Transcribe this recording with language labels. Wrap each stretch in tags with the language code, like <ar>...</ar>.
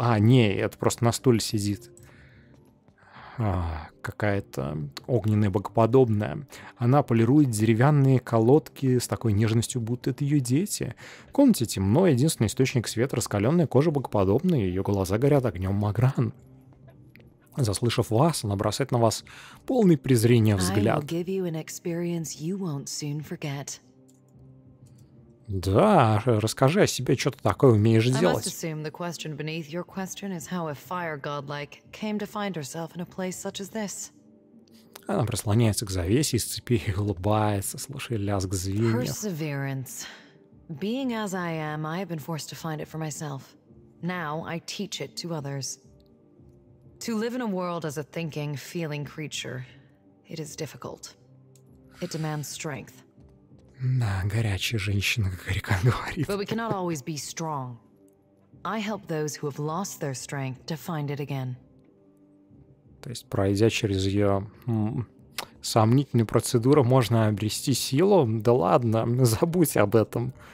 <ru>А, не, это просто на стуле сидит. А, какая-то огненная богоподобная. Она полирует деревянные колодки с такой нежностью, будто это ее дети. В комнате темно, единственный источник света — раскаленная кожа богоподобная, ее глаза горят огнем Магран. Заслышав вас, она бросает на вас полный презрения взгляд.</ru> <en>I'll give you an experience you won't soon forget.</en> <ru>Да, расскажи о себе, что ты такое умеешь делать.</ru> <en>I must assume the question beneath your question is how a fire godlike came to find herself in a place such as this.</en> <ru>Она прислоняется к завесе из цепи и улыбается, слушая лязг звеньев.</ru> <en>Perseverance. Being as I am, I have been forced to find it for myself. Now I teach it to others. To live in a world as a thinking, feeling creature, it is difficult. It demands strength.</en> <ru>Да, горячая женщина, как Арикан говорит.</ru> <en>But we cannot always be strong. I help those who have lost their strength to find it again.</en> <ru>То есть, пройдя через ее сомнительную процедуру, можно обрести силу? Да ладно, забудь об этом.</ru>